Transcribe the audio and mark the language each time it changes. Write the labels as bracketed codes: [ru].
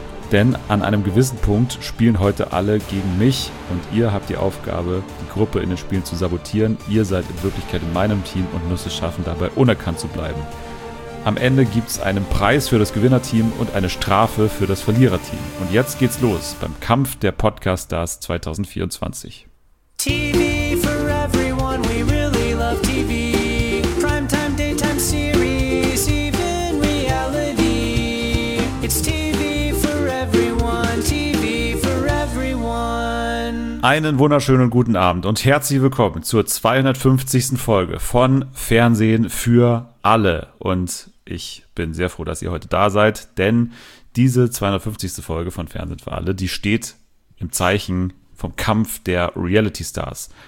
[de] Denn an einem gewissen Punkt spielen heute alle gegen mich und ihr habt die Aufgabe, die Gruppe in den Spielen zu sabotieren. Ihr seid in Wirklichkeit in meinem Team und müsst es schaffen, dabei unerkannt zu bleiben. Am Ende gibt es einen Preis für das Gewinnerteam und eine Strafe für das Verliererteam. Und jetzt geht's los beim Kampf der Podcast-Stars 2024. [en] TV for everyone, we really love TV. Primetime, daytime series, even reality. It's TV for everyone, TV for everyone. [de] Einen wunderschönen guten Abend und herzlich willkommen zur 250. Folge von Fernsehen für alle. Und ich bin sehr froh, dass ihr heute da seid, denn diese 250. Folge von Fernsehen für alle, die steht im Zeichen vom Kampf der Reality-Stars.